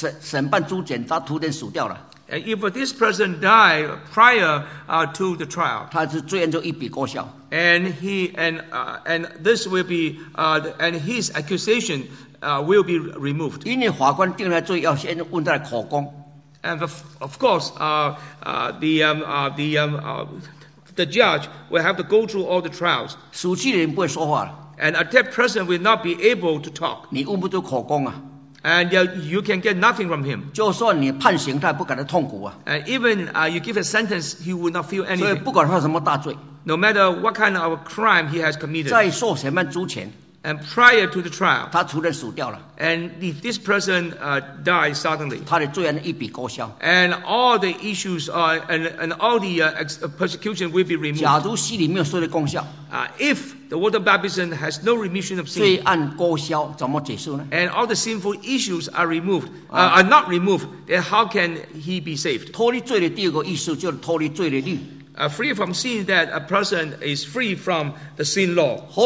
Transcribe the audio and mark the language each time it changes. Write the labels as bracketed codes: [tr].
[zh] 但这个人在被送去法院审判之前，他突然死掉了。 [en] And if this person died prior to the trial, [zh] 他是罪案就一笔勾销, [en] and he and this will be and his accusation will be removed. [zh] 因为法官定了罪，要先问他的口供。 [en] And of course, the judge will have to go through all the trials. [zh] 死去的人不会说话了。 [en] And a dead person will not be able to talk. [zh] 你问不出口供啊。 [en] And you can get nothing from him. [zh] 就算你判刑他也不感到痛苦啊。 [en] And even you give a sentence, he would not feel anything. [zh] 所以不管他什么大罪, [en] no matter what kind of crime he has committed, [zh] 在受审判之前, [en] and prior to the trial, [zh] 他突然死掉了, [en] and if this person dies suddenly, [zh] 他的罪案一笔勾销, [en] and all the issues and all the persecution will be removed. [zh] 假如洗礼没有受的功效, [en] if the water baptism has no remission of sin, [zh] 罪案勾销, 怎么解释呢? [en] And all the sinful issues are removed, are not removed, then how can he be saved? [zh] 脱离罪的第二个意思就是脱离罪的律。 [en] Free from sin, that a person is free from the sin law.